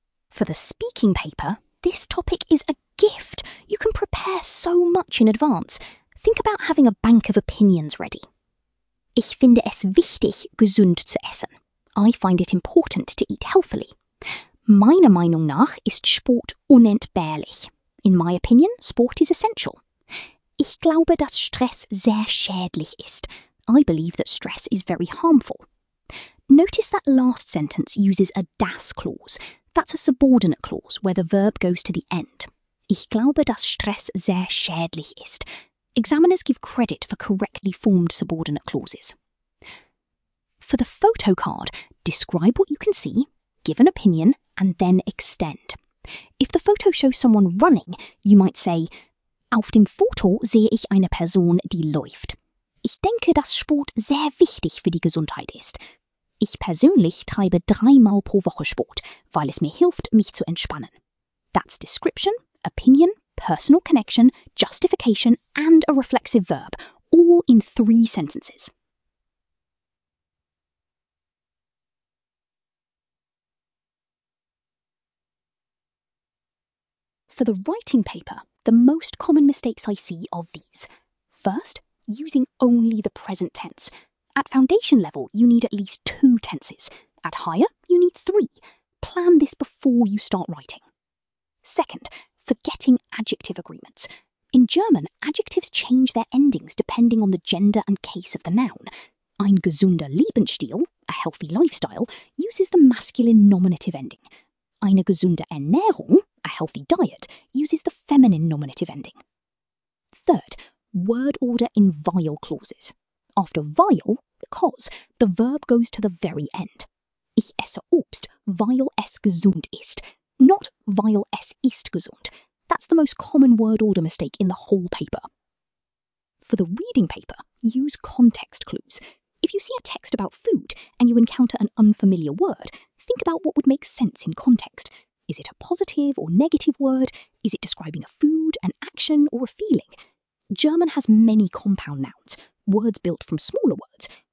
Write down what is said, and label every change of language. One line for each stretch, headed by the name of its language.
English: For the speaking paper, this topic is a gift. You can prepare so much in advance. Think about having a bank of opinions ready.
German: Ich finde es wichtig, gesund zu essen.
English: I find it important to eat healthily.
German: Meiner Meinung nach ist Sport unentbehrlich.
English: In my opinion, sport is essential.
German: Ich glaube, dass Stress sehr schädlich ist.
English: I believe that stress is very harmful. Notice that last sentence uses a das clause. That's a subordinate clause where the verb goes to the end.
German: Ich glaube, dass Stress sehr schädlich ist.
English: Examiners give credit for correctly formed subordinate clauses. For the photo card, describe what you can see, give an opinion, and then extend. If the photo shows someone running, you might say,
German: Auf dem Foto sehe ich eine Person, die läuft. Ich denke, dass Sport sehr wichtig für die Gesundheit ist. Ich persönlich treibe dreimal pro Woche Sport, weil es mir hilft, mich zu entspannen.
English: That's description, opinion, personal connection, justification, and a reflexive verb, all in 3 sentences. For the writing paper, the most common mistakes I see are these. First, using only the present tense. At foundation level, you need at least 2 tenses. At higher, you need 3. Plan this before you start writing. Second, forgetting adjective agreements. In German, adjectives change their endings depending on the gender and case of the noun. Ein gesunder Lebensstil, a healthy lifestyle, uses the masculine nominative ending. Eine gesunde Ernährung, a healthy diet, uses the feminine nominative ending. Third, word order in weil clauses. After weil, because, the verb goes to the very end.
German: Ich esse Obst, weil es gesund ist.
English: Not
German: weil es ist gesund.
English: That's the most common word order mistake in the whole paper. For the reading paper, use context clues. If you see a text about food and you encounter an unfamiliar word, think about what would make sense in context. Is it a positive or negative word? Is it describing a food, an action, or a feeling? German has many compound nouns, words built from smaller words.